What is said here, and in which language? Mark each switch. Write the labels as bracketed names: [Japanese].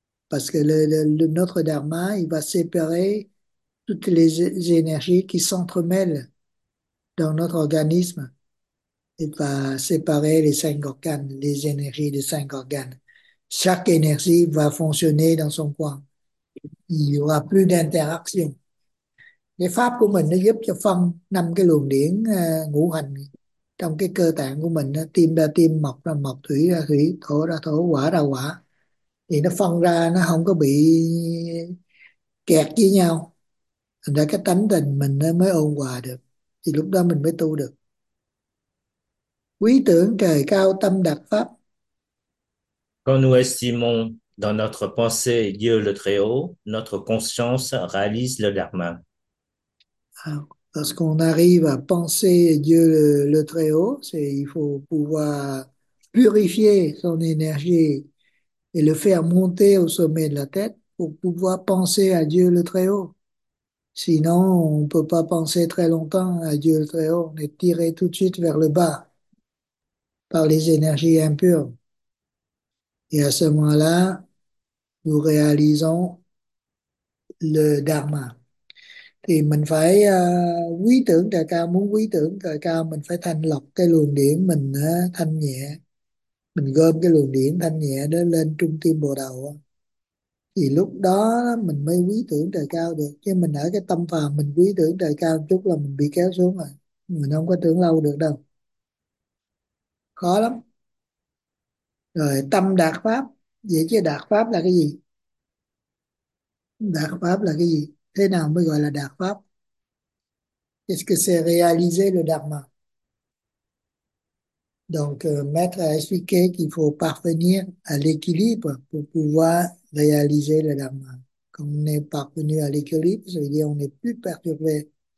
[French] Parce que notre dharma, il va séparer toutes les énergies qui s'entremêlent dans notre organisme, il va séparer les cinq organes, les énergies des cinq organes. Chaque énergie va fonctionner dans son coin. Il n'y aura plus d'interaction. [Vietnamese] Les pháp của mình nó giúp cho phân năm cái luồng điển ngũ hành trong cái cơ tạng của mình, tim ra tim, mộc ra mộc, thủy ra thủy, thổ ra thổ, hỏa ra hỏa. Thì nó phân ra, nó không có bị kẹt với nhau. Thành ra cái tánh tình mình nó mới ôn hòa được. Thì lúc đó mình mới tu được. Quý tưởng trời cao tâm đặc pháp. [French] Quand nous estimons dans notre pensée Dieu le Très-Haut, notre conscience réalise le dharma. Lorsqu'on arrive à penser Dieu le Très-Haut, c'est il faut pouvoir purifier son énergie et le faire monter au sommet de la tête pour pouvoir penser à Dieu le Très-Haut. Sinon, on ne peut pas penser très longtemps à Dieu le Très-Haut. On est tiré tout de suite vers le bas par les énergies impures. Et à ce moment-là, nous réalisons le Dharma. [Vietnamese] Thì mình phải quý tưởng trời cao, muốn quý tưởng trời cao mình phải thanh lọc cái luồng điển mình thanh nhẹ, mình gom cái luồng điển thanh nhẹ đó lên trung tim bồ đầu, thì lúc đó mình mới quý tưởng trời cao được. Chứ mình ở cái tâm phàm mình quý tưởng trời cao chút là mình bị kéo xuống rồi, mình không có tưởng lâu được đâu, khó lắm. Rồi tâm đạt pháp, vậy chứ đạt pháp là cái gì? Đạt pháp là cái gì? Thế nào mới gọi là đạt pháp? [French] Qu'est-ce que c'est réaliser le dharma? Donc, maître a expliqué qu'il faut parvenir à l'équilibre pour pouvoir réaliser le dharma. Quand on est parvenu à l'équilibre, ça veut dire qu'on n'est plus perturbé.